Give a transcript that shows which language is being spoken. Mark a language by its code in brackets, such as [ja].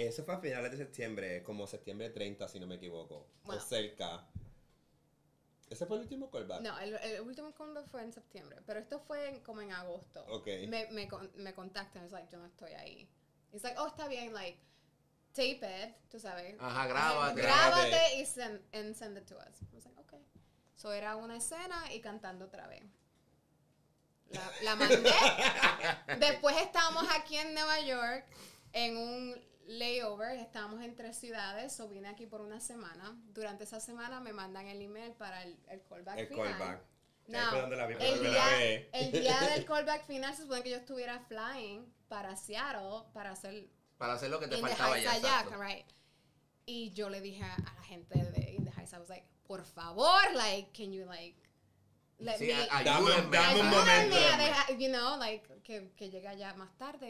[es] Eso fue a finales de septiembre, como septiembre 30, si no me equivoco. Bueno. O cerca. ¿Ese fue el último callback? No, el último callback fue en septiembre, pero esto fue como en agosto. Ok. Me contactan, es like, yo no estoy ahí. [en] It's like, [es] está bien, [en] like, tape it, [es] tú sabes. Ajá, grábate. [en] Grábate y send it to us. I was like, okay. [es] So era una escena y cantando otra vez. La mandé. Después estábamos aquí en Nueva York en un layover. Estábamos en tres ciudades. So vine aquí por una semana. Durante esa semana me mandan el email para el callback el final. [en] Callback. [es] Now, el día del callback final se supone que yo estuviera flying para Seattle para hacer lo que te faltaba allá. Right? Y yo le dije a la gente de In the Heights, [en] I was like, [es] por favor, like, [en] can you like. [es] Dame un momento. [en] You know, like, [es] que llegue allá más tarde.